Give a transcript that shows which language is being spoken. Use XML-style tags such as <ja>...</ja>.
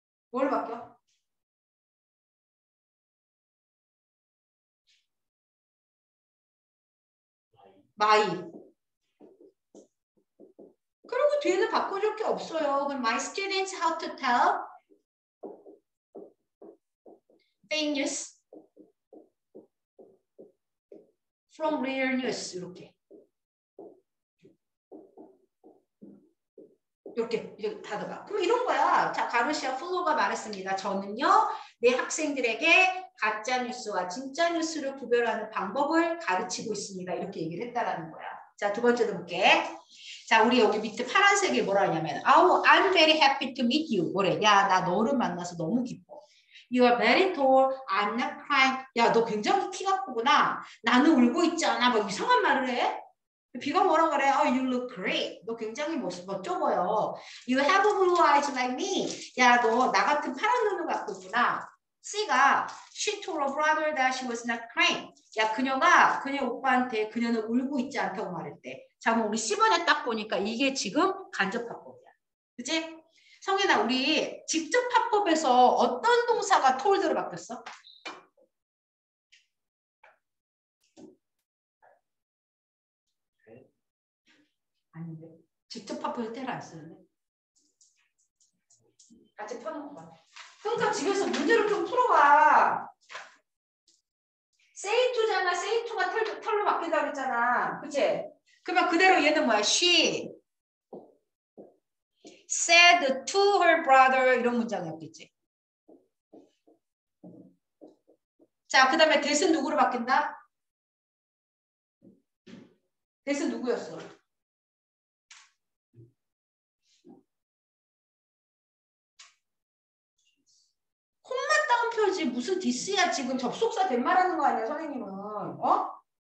<ko>뭘 바뀌어? 마이. 뒤에는 바꿔줄 게 없어요. 그럼</ko> <en>my students how to tell fake news from real news</en> <ko>이렇게. 이렇게 다 들어가. 그럼 이런 거야. 자, 가르시아 플로가 말했습니다. 저는요, 내 학생들에게 가짜 뉴스와 진짜 뉴스를 구별하는 방법을 가르치고 있습니다. 이렇게 얘기를 했다라는 거야. 자, 두 번째도 볼게. 자, 우리 여기 밑에 파란색이 뭐라 하냐면,</ko> <en>Oh, I'm very happy to meet you.</en> <ko>뭐래? 야, 나 너를 만나서 너무 기뻐.</ko> <en>You are very tall. I'm not crying.</en> <ko>야, 너 굉장히 키가 크구나. 나는 울고 있지 않아. 뭐 이상한 말을 해? 비가 뭐라 그래?</ko> <en>Oh, you look great.</en> <ko>너 굉장히 멋져 보여.</ko> <en>You have blue eyes like me.</en> <ko>야, 너나 같은 파란 눈을 갖고 있구나.</ko> <en>C가 she told her brother that she was not crying.</en> <ko>야, 그녀가 그녀 오빠한테 그녀는 울고 있지 않다고 말할 때. 자, 그럼 우리 10번에 딱 보니까 이게 지금 간접합법이야. 그치? 성현아, 우리 직접합법에서 어떤 동사가 told로 바뀌었어? 아닌데? 직접합법에서 tell 안 쓰는데? 같이 펴놓고 봐. 그러니까 집에서 문제를 좀 풀어봐.</ko> <en>Say to잖아.</en> <ko>Say to가 털로 바뀐다고 했잖아. 그치? 그러면 그대로 얘는 뭐야?</ko> <en>She said to her brother 이런 문장이었겠지.</en> <ko>자, 그 다음에 that은 누구로 바뀐다? that은 누구였어? 표지 무슨 디스야 지금 접속사 된 말하는 거 아니야 선생님은 어?</ko>